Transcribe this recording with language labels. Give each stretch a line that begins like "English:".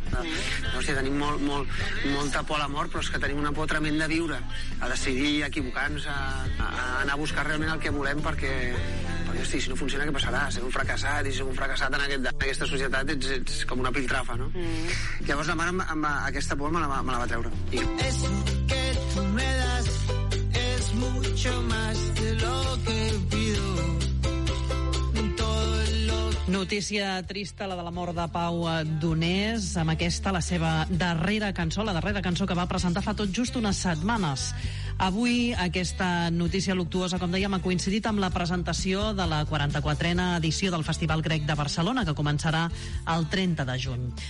Catalan: Hòstia, tenim molta por a la mort, però és que tenim una por tremenda a viure, a decidir, a equivocar-nos, a anar a buscar realment el que volem, perquè... Hosti, si no funciona, què passarà? Ser un fracassat, i ser un fracassat en, en aquesta societat, ets com una piltrafa, no? Mm. Llavors la mare amb aquesta por me la va treure.
Spanish: Es que tú me das es mucho más de lo que pido.
Catalan: Notícia trista, la de la mort de Pau Donés, amb aquesta, la seva darrera cançó, la darrera cançó que va presentar fa tot just unes setmanes. Avui, aquesta notícia luctuosa, com dèiem, ha coincidit amb la presentació de la 44a edició del Festival Grec de Barcelona, que començarà el 30 de juny.